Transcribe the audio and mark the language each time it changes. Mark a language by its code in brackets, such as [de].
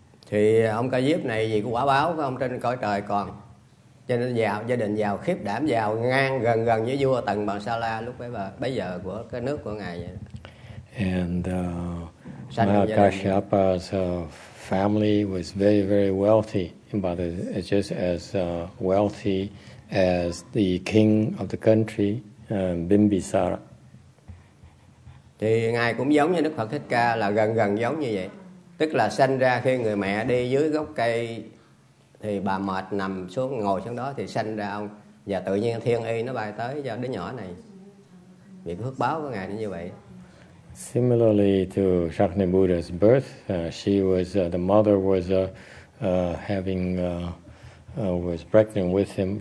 [vi] Thì ông Ca Diếp này vì có quả báo của ông trên cõi trời còn. Cho nên giàu, gia đình giàu, khiếp đảm giàu, ngang gần gần với vua Tần Bà Sa La lúc bấy giờ của cái nước của ngài vậy. [en] And Kashyapa's family was very, very wealthy, but it's just as wealthy as the king of the country, Bimbisara. [vi] Thì ngài cũng giống như Đức Phật Thích Ca, là gần gần giống như vậy. Tức là sanh ra khi người mẹ đi dưới gốc cây, thì bà mệt nằm xuống, ngồi xuống đó thì sanh ra ông. Và tự nhiên thiên y nó bay tới cho đứa nhỏ này. Vì phước báo của ngài nó như vậy. [en] Similarly to Shakyamuni Buddha's birth, she was the mother was having was pregnant with him.